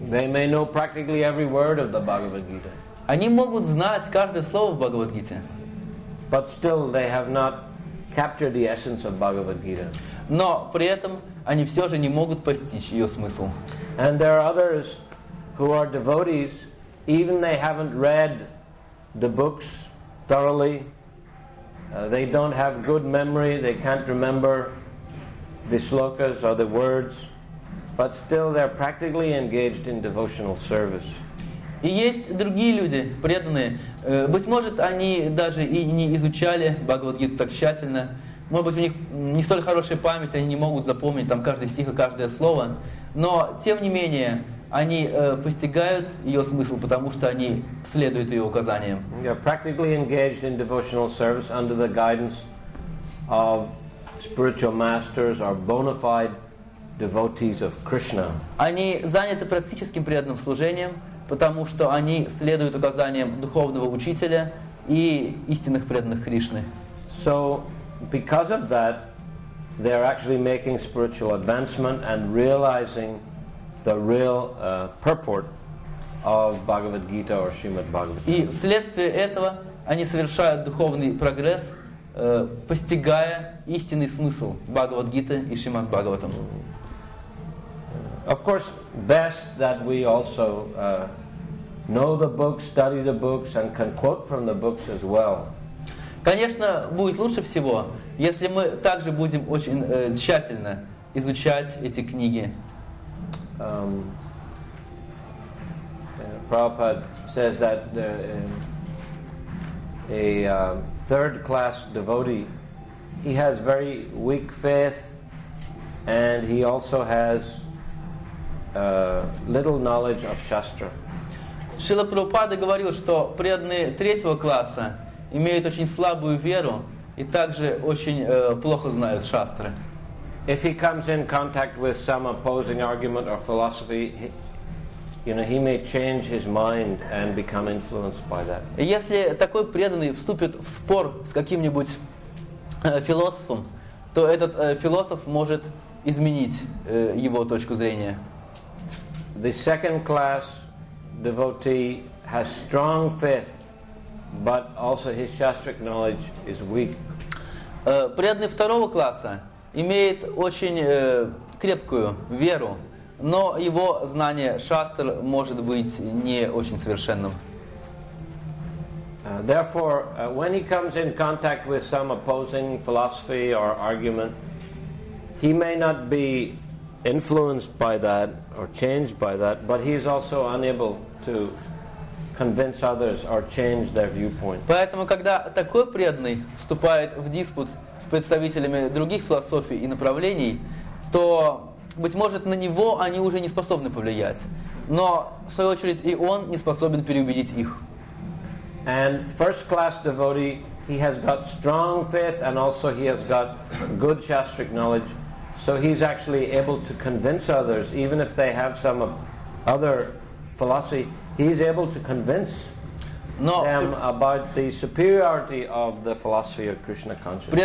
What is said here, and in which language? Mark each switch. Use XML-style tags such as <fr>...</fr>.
<en>They may know practically every word of the Bhagavad-gita.</en> <ru>Они могут знать каждое слово в Бхагавад-гите.</ru> <en>But still, they have not captured the essence of Bhagavad Gita.</en> <ru>Но при этом они все же не могут постичь ее смысл.</ru> <en>And there are others who are devotees, even they haven't read the books thoroughly. They don't have good memory. They can't remember the slokas or the words. But still, they're practically engaged in devotional service.</en> <ru>И есть другие люди, преданные. Быть может, они даже и не изучали Бхагавад-гиту так тщательно. Может быть, у них не столь хорошая память, они не могут запомнить там каждый стих и каждое слово. Но, тем не менее, они постигают ее смысл, потому что они следуют ее указаниям.</ru> <en>They are practically engaged in devotional service under the guidance of spiritual masters or bona fide devotees of Krishna.</en> <ru>Они заняты практическим преданным служением, потому что они следуют указаниям духовного учителя и истинных преданных Кришны.</ru> <en>So, because of that, they are actually making spiritual advancement and realizing the real purport of Bhagavad Gita or Srimad Bhagavatam.</en> <ru>И вследствие этого они совершают духовный прогресс, постигая истинный смысл Бхагавад Гиты и Шримад Бхагаватам.</ru> <en>Of course, best that we also know the books, study the books, and can quote from the books as well.</en> <ru>Конечно, будет лучше всего, если мы также будем очень тщательно изучать эти книги.</ru> <en>Prabhupada says that third-class devotee, he has very weak faith, and he also has little knowledge of Shastra.</en> <ru>Шрила Прабхупада говорил, что преданные третьего класса имеют очень слабую веру и также очень плохо знают Шастры.</ru> <en>If he comes in contact with some opposing argument or philosophy, he may change his mind and become influenced by that.</en> <ru>Если такой преданный вступит в спор с каким-нибудь философом, то этот философ может изменить его точку зрения.</ru> <en>The second class devotee has strong faith, but also his shastric knowledge is weak.</en> <ru>Преданный второго класса имеет очень крепкую веру, но его знание шастр может быть не очень совершенным.</ru> <en>Therefore, when he comes in contact with some opposing philosophy or argument, he may not be influenced by that or changed by that, but he is also unable to convince others or change their viewpoint.</en> <ru>Поэтому, когда такой преданный вступает в диспут с представителями других философий и направлений, то, быть может, на него они уже не способны повлиять. Но, в свою очередь, и он не способен переубедить их.</ru> <en>And first-class devotee, he has got strong faith, and also he has got good shastric knowledge, so he's actually able to convince others, even if they have some other philosophy, he's able to convince them about the superiority of the philosophy of Krishna consciousness.</en>